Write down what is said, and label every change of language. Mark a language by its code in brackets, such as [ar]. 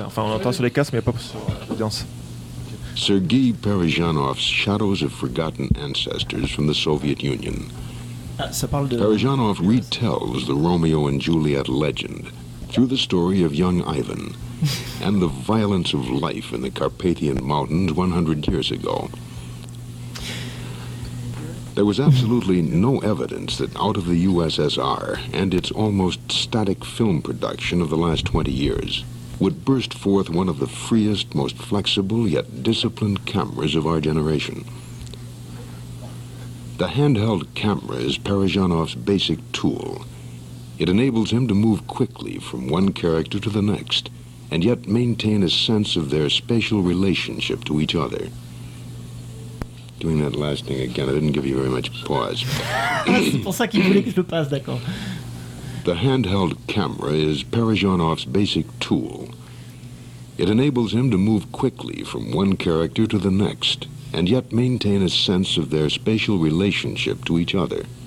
[fr] Enfin, on l'entend sur les casques, mais pas sur l'audience. [en] Sergei Parajanov's Shadows of Forgotten Ancestors from the Soviet Union. [fr] Ça parle de... [en] Parajanov retells the Romeo and Juliet legend through the story of young Ivan and the violence of life in the Carpathian Mountains 100 years ago. There was absolutely no evidence that out of the USSR and its almost static film production of the last 20 years would burst forth one of the freest, most flexible, yet disciplined cameras of our generation. The handheld camera is Parajanov's basic tool. It enables him to move quickly from one character to the next and yet maintain a sense of their spatial relationship to each other. Doing that last thing again, I didn't give you very much pause. [fr] C'est pour ça qu'il voulait que je le passe, d'accord. [en] The handheld camera is Parajanov's basic tool. It enables him to move quickly from one character to the next, and yet maintain a sense of their spatial relationship to each other.